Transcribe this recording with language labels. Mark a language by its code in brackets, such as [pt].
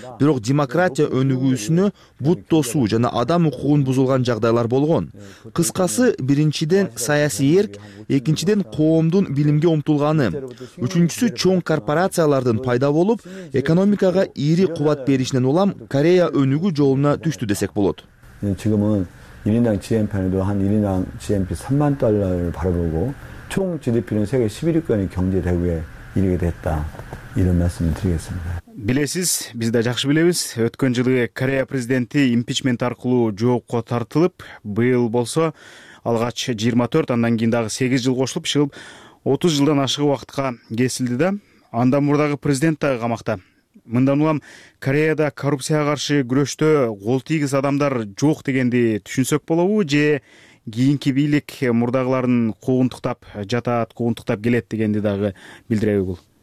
[ky] Бирок демократия өнүгүүсүнө бут тосуу жана адам укугун бузулган жагдайлар болгон. Кыскасы, биринчиден саясий эрк, экинчиден коомдун билимге умтулганы, үчүнчүсү чоң корпорациялардын пайда болуп, экономикага ири кубат беришинен улам Корея өнүгүү жолуна түштү десек болот. [ko] 1인당 GNP도 한 1인당 GNP 3만 달러를 벌어보고 총 GDP는 세계 11위권의 경제 대국에 이르게 됐다. 이런 말씀을 드리겠습니다. [ky] 빌레시스 бизде жакшы билебиз. Өткөн жылы Корея президенти импичмент аркылуу жоопко тартылып, быйыл болсо алгач 24, андан кийин дагы 8 жыл кошулуп, ишилип 30 жылдан ашыгы убакытка кесилди да. Андан мурдагы президент дагы камакта. Мындан улам Кореяда коррупцияга каршы күрөштө кол тийгиз адамдар жок дегенди түшүнсөк болобу, же кийинки бийлик мурдагыларын куугунтуктап жатат, куугунтуктап келет дегенди дагы билдиреби бул?